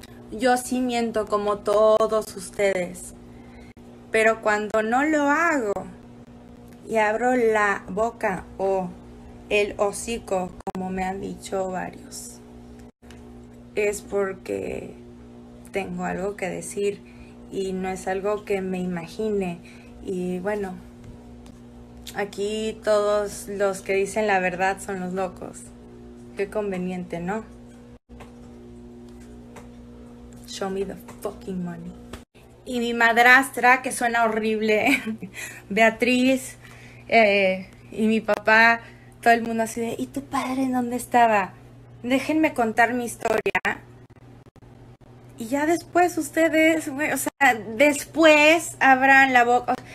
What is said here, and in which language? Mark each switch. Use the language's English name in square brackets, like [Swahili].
[Spanish] Yo sí miento como todos ustedes. Pero cuando no lo hago y abro la boca o el hocico, como me han dicho varios, es porque tengo algo que decir y no es algo que me imagine. Y bueno, aquí todos los que dicen la verdad son los locos. Qué conveniente, ¿no? [English] Show me the fucking money. [Spanish] Y mi madrastra, que suena horrible, Beatriz, y mi papá, todo el mundo así de, ¿y tu padre en dónde estaba? Déjenme contar mi historia. Y ya después ustedes, o sea, después abran la boca.